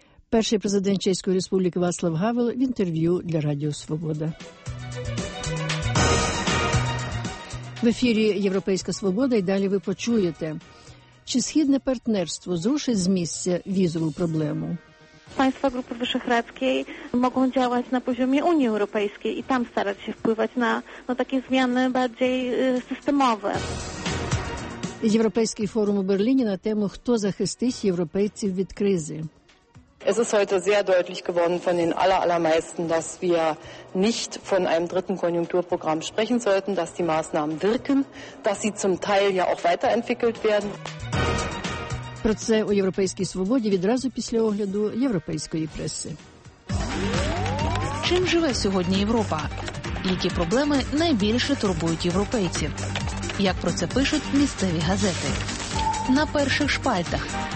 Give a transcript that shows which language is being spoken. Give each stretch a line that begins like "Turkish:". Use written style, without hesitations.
Ukrainian: Перший президент Чеської Республіки Вацлав Гавел в інтерв'ю для Радіо Свобода. В ефірі «Європейська свобода» і далі ви почуєте. Чи східне партнерство зрушить з місця візову проблему?
Polish: Państwa Grupy Wyszehradzkiej mogą działać na poziomie Unii Europejskiej i tam starać się wpływać na takie zmiany bardziej systemowe.
Ukrainian: Європейський форум у Берліні на тему «Хто захистить європейців від кризи?».
German: Es ist heute sehr deutlich geworden von den allermeisten, dass wir nicht von einem dritten Konjunkturprogramm sprechen sollten, dass die Maßnahmen wirken, dass sie zum Teil ja auch weiterentwickelt werden.
Ukrainian: Про це у Європейській свободі відразу після огляду європейської преси. Чим живе сьогодні Європа? Які проблеми найбільше турбують європейців? Як про це пишуть місцеві газети? На перших шпальтах.